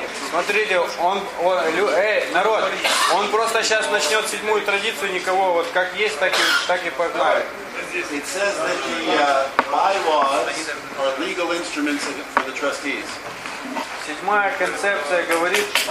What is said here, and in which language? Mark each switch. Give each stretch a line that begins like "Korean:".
Russian: Смотрите, он, народ, он просто сейчас начнет седьмую традицию, никого вот как есть, так и погнали.
English: It says that the bylaws are legal instruments for the trustees.
Russian: Седьмая концепция говорит.